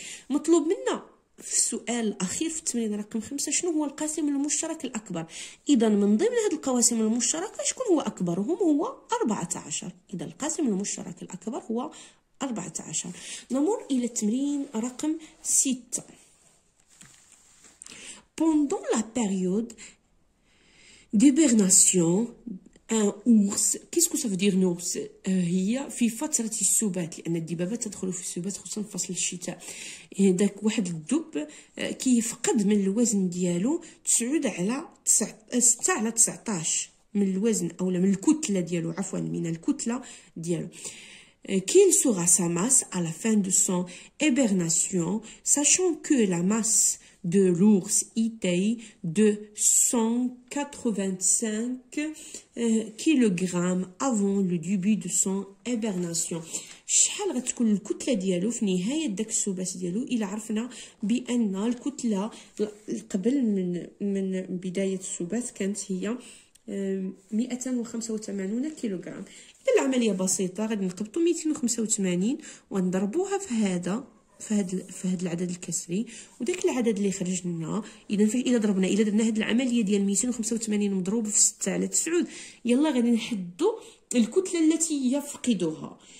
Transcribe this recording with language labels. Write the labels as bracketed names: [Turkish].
[Arabic] مطلوب منا في السؤال الأخير في التمرين رقم 5 شنو هو القاسم المشترك الأكبر؟ إذا من ضمن هذه القواسم المشتركة شكون هو أكبرهم؟ هو 14. إذا القاسم المشترك الأكبر هو 14. نمر إلى التمرين رقم 6. [French] Pendant la période d'hibernation, un ours, qu'est-ce que ça veut dire un ours ? [Arabic] هي في فترة السبات، لأن الدبابة تدخل في السبات خصوصا في فصل الشتاء. داك واحد الدب كيفقد من الوزن ديالو تسعود على 6 على 19 من الوزن، أولا من الكتلة ديالو، عفوا من الكتلة ديالو. [French] Quelle sera sa masse à la fin de son hibernation, sachant que la masse de l'ours était de 185 kg avant le début de son hibernation. [Arabic] شحال غتكون الكتلة ديالو في نهاية داك السباس ديالو إلا عرفنا بأن الكتلة قبل من بداية السباس كانت هي 285 كيلوغرام. إذا العملية بسيطة، غادي نقبطو 285 ونضربوها في هذا في هاد العدد الكسري، وداك العدد اللي خرجنا، إذا ضربنا إلا درنا هاد العملية ديال 285 مضروب في 6 على 9، يلا غادي نحدو الكتلة التي يفقدها.